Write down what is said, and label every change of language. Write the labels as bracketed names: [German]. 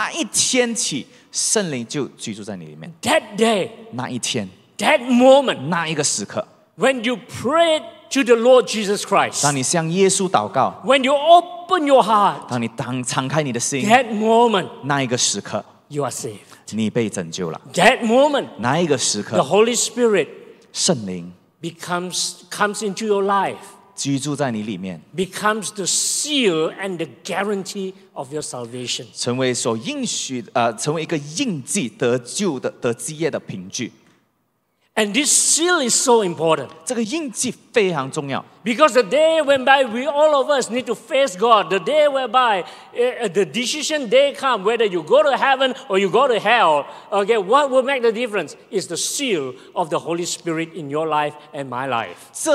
[Chinese] 所以这段经文让我们看到呢，所有人任何一个人，只要那一天你晓得哇，耶稣多么爱你，他拯救你，你相信他成为主和救主，然后饶恕你的罪等等的那一天起，圣灵就居住在你里面。 [English] That day, [Chinese] 那一天, [English] that moment, [Chinese] 那一个时刻, [English] when you prayed to the Lord Jesus Christ, [Chinese] 当你向耶稣祷告, [English] when you open your heart, [Chinese] 当你敞开你的心, [English] that moment, [Chinese] 那一个时刻, [English] you are saved. [Chinese] 你被拯救了, [English] that moment, [Chinese] 那一个时刻, [English] the Holy Spirit, [Chinese] 圣灵, [English] comes into your life, [Chinese] 居住在你里面, [English] becomes the seal and the guarantee of your salvation, [Chinese] 成为所应许, 成为一个印记, 得救的基业的凭据。 [English] And this seal is so important. [Chinese] 这个印记非常重要。 [English] Because the day whereby we all of us need to face God, the day whereby the decision day comes, whether you go to heaven or you go to hell, okay, what will make the difference is the seal of the Holy Spirit in your life and my life.